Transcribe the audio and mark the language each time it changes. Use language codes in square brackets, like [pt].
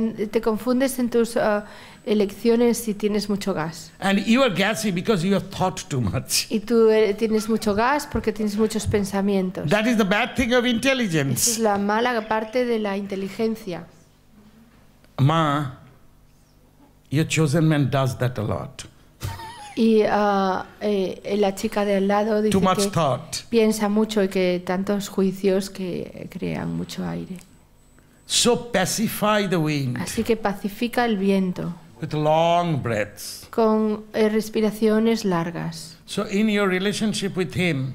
[es] Te confundes en tus elecciones si tienes mucho gas. [en] And you are gassy because you have thought too much. [es] Y tú tienes mucho gas porque tienes muchos pensamientos. [en] That is the bad thing of intelligence. [es] Es la mala parte de la inteligencia. [en] Ma, your chosen man does that a lot. [es] Y la chica de al lado dice [en] too much [es] que [en] thought. [es] Piensa mucho y que tantos juicios que crean mucho aire. [en] So pacify the wind. [es] Así que pacifica el viento. [en] With long breaths. [es] Con respiraciones largas. [en] So in your relationship with him,